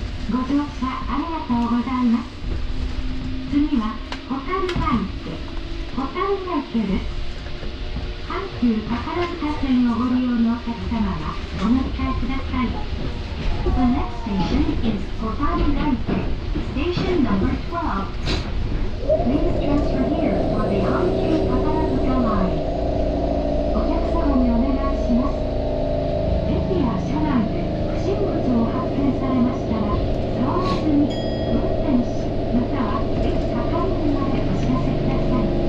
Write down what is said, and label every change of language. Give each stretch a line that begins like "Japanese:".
Japanese: ご乗車ありがとうございます。次は、ホタルマイケ、ホタルマイケです。阪急宝塚線をご利用のお客様は、お乗り換えください。
English: The next station is Hotaru Maike, station number 12. Please transfer here for the Hankyu Takarazuka line.
Japanese: お客様にお願いします。駅や車内で不審物を発見されましたら、騒がずに運転士または駅係員までお知らせください。